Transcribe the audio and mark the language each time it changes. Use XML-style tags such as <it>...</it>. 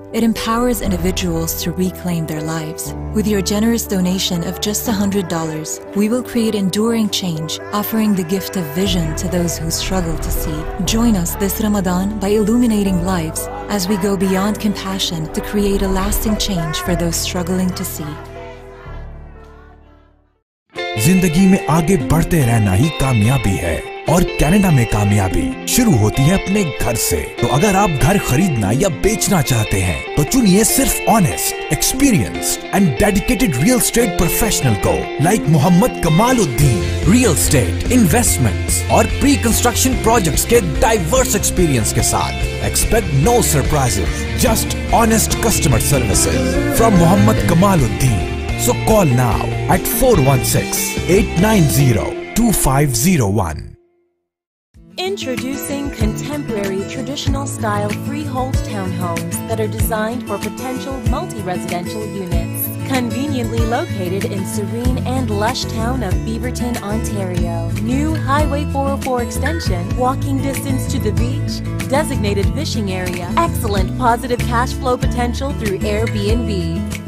<en>It empowers individuals to reclaim their lives. With your generous donation of just $100, we will create enduring change, offering the gift of vision to those who struggle to see. Join us this Ramadan by illuminating lives as we go beyond compassion to create a lasting change for those struggling to see.</en> <hi>जिंदगी में आगे बढ़ते रहना ही कामयाबी है और Canada में कामयाबी शुरू होती है अपने घर से तो अगर आप घर खरीदना या बेचना चाहते हैं तो चुनिए सिर्फ</hi> <en>honest experienced and dedicated real estate professional</en> <hi>को like Mohammad Kamaluddin real estate investments और प्री कंस्ट्रक्शन प्रोजेक्ट्स के डाइवर्स एक्सपीरियंस के साथ</hi> <en>expect no surprises just honest customer services from</en> <hi>Mohammad Kamaluddin</hi> <en>So call now at 416-890-2501. Introducing contemporary traditional style freehold townhomes that are designed for potential multi-residential units. Conveniently located in serene and lush town of Beaverton, Ontario. New Highway 404 extension, walking distance to the beach, designated fishing area, excellent positive cash flow potential through Airbnb.</en>